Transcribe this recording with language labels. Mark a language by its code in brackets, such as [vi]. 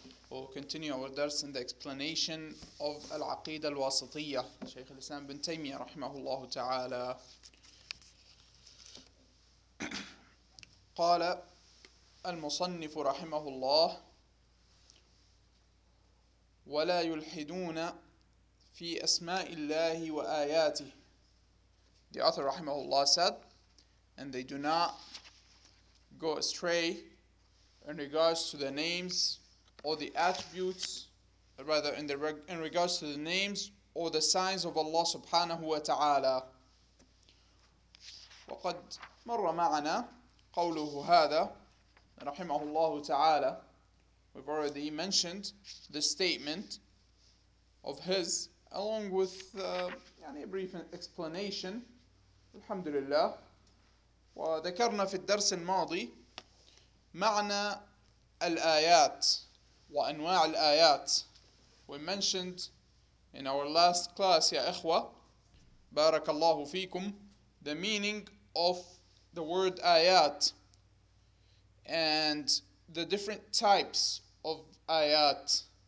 [en] We'll continue our درس in the explanation of [ar] العقيدة الواسطية لشيخ الإسلام ابن تيمية رحمه الله تعالى. قال المصنف رحمه الله: ولا يلحدون في أسماء الله وآياته. [en] The author رحمه الله said, and they do not go astray in regards to the names or the attributes, rather in regards to the names or the signs of Allah subhanahu wa ta'ala. [ar] وقد مر معنا قوله هذا رحمه الله تعالى. [en] We've already mentioned the statement of his along with a brief explanation. [ar] الحمد لله. وذكرنا في الدرس الماضي معنى الآيات وأنواع الآيات. [en] We mentioned in our last class, [ar] يا إخوة بارك الله فيكم, [en] the meaning of the word آيات and the different types of آيات.